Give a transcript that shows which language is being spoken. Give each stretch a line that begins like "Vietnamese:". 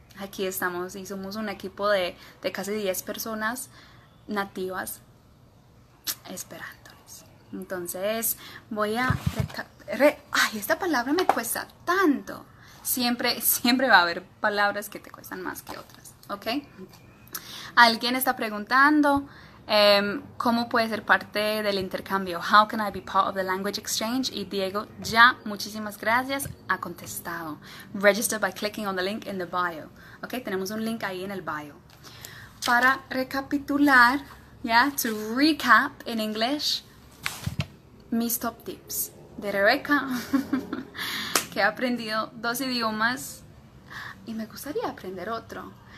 Spanish: Aquí estamos y somos un equipo de casi 10 personas nativas esperándoles. Entonces, voy a. ¡Ay, esta palabra me cuesta tanto! Siempre, siempre va a haber palabras que te cuestan más que otras, ¿ok? Alguien está preguntando, ¿Cómo puede ser parte del intercambio?
English: How can I be part of the language exchange?
Spanish: Y Diego, ya, muchísimas gracias, ha contestado.
English: Register by clicking on the link in the bio.
Spanish: Okay, tenemos un link ahí en el bio. Para recapitular,
English: yeah, to recap in English,
Spanish: mis top tips de Rebeca, que he aprendido dos idiomas y me gustaría aprender otro.